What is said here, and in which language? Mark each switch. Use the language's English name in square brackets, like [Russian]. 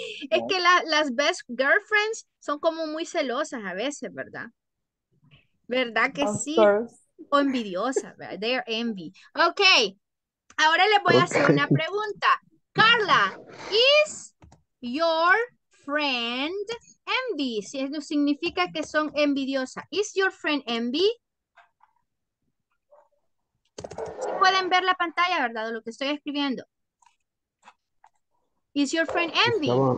[Spanish] Es que las best girlfriends son como muy celosas a veces, ¿verdad? ¿Verdad que [English] of [Spanish] sí? [English] Course. [Spanish] O envidiosas, ¿verdad? [English] They're envy. [Spanish] Ok, ahora les voy a hacer una pregunta. [English] Carla, is your friend envy? [Spanish] Si eso significa que son envidiosas. [English] Is your friend envy? [Spanish] Si sí pueden ver la pantalla, ¿verdad? Lo que estoy escribiendo. [English] Is your friend envy?